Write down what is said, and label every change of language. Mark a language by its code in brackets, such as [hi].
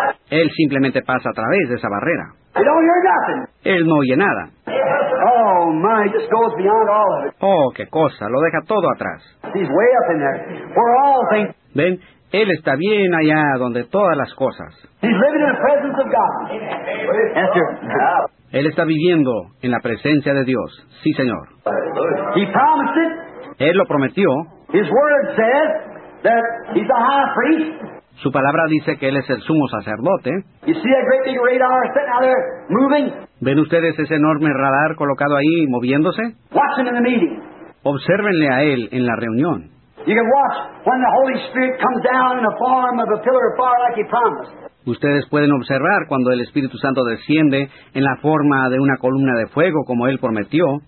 [es] Él simplemente pasa a través de esa barrera. [en] You don't hear nothing. [es] Él no oye nada. [en] Oh, my, just goes beyond all of it. [es] Oh, qué cosa, lo deja todo atrás. [en] He's way up in there. We're all things. [es] Ven, él está bien allá donde todas las cosas. [en] He's living in the presence of God. Yes, sir. [es] Él está viviendo en la presencia de Dios. Sí, Señor. [en] He promised it. [es] Él lo prometió. [en] His word says that he's a high priest. [es] Su palabra dice que él es el sumo sacerdote. [en] You see that great big radar sitting out there moving? [es] ¿Ven ustedes ese enorme radar colocado ahí moviéndose? [en] Watch him in the meeting. [es] Obsérvenle a él en la reunión. [en] You can watch when the Holy Spirit comes down in the form of a pillar of fire like he promised. [es] Ustedes pueden observar cuando el Espíritu Santo desciende en la forma de una columna de fuego como él prometió.